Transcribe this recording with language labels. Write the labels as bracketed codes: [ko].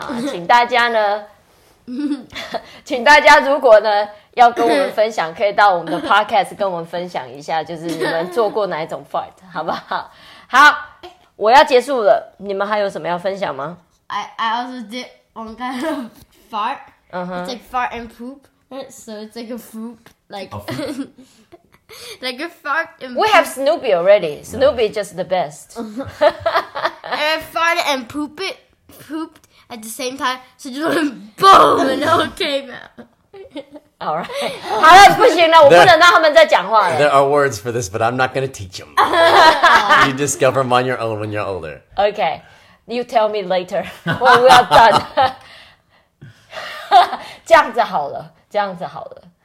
[zh] 请大家呢。请大家如果呢要跟我们分享，可以到我们的 podcast 跟我们分享一下，就是你们做过哪一种 fart, 好不好？好，我要结束了，你们还有什么要分享吗？ [en] I also did one kind of fart. It's like fart and poop. So it's like a poop, like a fart and poop. We have Snoopy already. Snoopy is just the best. I fart and poop it. Pooped. At the same time, so just went boom, and it all came out. All right. [zh] 好了，不行了，我不能让他们再讲话了。 [en] There are words for this, but I'm not going to teach them. You discover them on your own when you're older. Okay. You tell me later when we are done. [zh] 这样子好了，这样子好了。